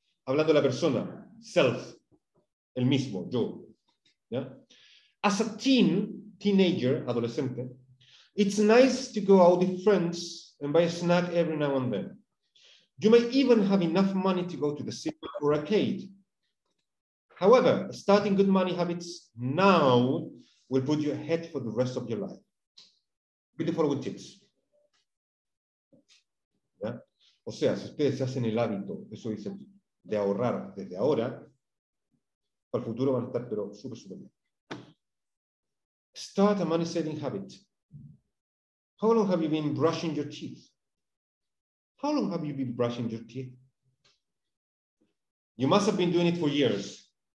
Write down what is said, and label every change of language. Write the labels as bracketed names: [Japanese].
[Spanish] Hablando de la persona, self, el mismo, yo. ¿Ya? [English] As a teenager, adolescente, it's nice to go out with friends and buy a snack every now and then. You may even have enough money to go to the cinema or arcade. However, starting good money habits now will put you ahead for the rest of your life. With the following tips. [Spanish] ¿Ya? O sea, si ustedes se hacen el hábito, eso dice, de ahorrar desde ahora, para el futuro van a estar, pero súper, súper bien. [English] Start a money saving habit. How long have you been brushing your teeth? How long have you been brushing your teeth? You must have been doing it for years.